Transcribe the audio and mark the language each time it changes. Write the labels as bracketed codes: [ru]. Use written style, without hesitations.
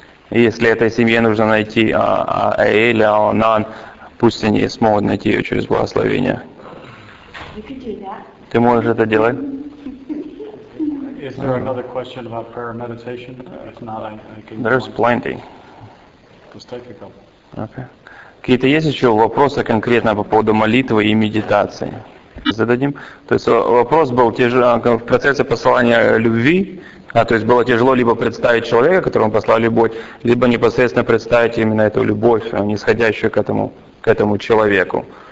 [ru] И если этой семье нужно найти АА или АОНАН, пусть они смогут найти ее через благословение. Ты можешь это делать? [en] Is there another question about prayer and meditation? If not, I can. There's plenty. Just take a couple. Okay. [ru] Какие-то есть еще вопросы конкретно по поводу молитвы и медитации? Зададим. То есть вопрос был в процессе послания любви. То есть было тяжело либо представить человека, которому послал любовь, либо непосредственно представить именно эту любовь, нисходящую к этому человеку.